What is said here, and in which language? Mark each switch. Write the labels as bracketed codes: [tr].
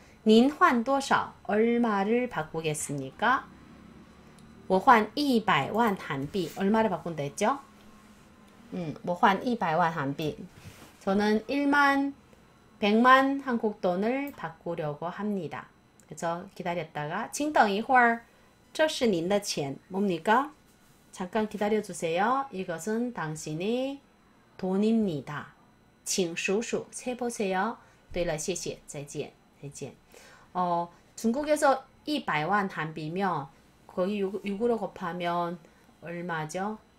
[zh] 您换多少? [ko] 얼마를 바꾸겠습니까? [zh] 我换100万韩币. [ko] 얼마를 바꾼다 했죠? [zh] 我换100万韩币. [ko] 저는 1만, 100만 한국 돈을 바꾸려고 합니다. 그래서 기다렸다가, [zh] 请等一会儿. 这是您的钱. [ko] 뭡니까? 잠깐 기다려주세요. 이것은 당신의 돈입니다. [zh] 请数数. [ko] 세보세요. [zh] 对了,谢谢.再见.再见. [ko] 중국에서 100万韩币면, 거기 6으로 곱하면 얼마죠?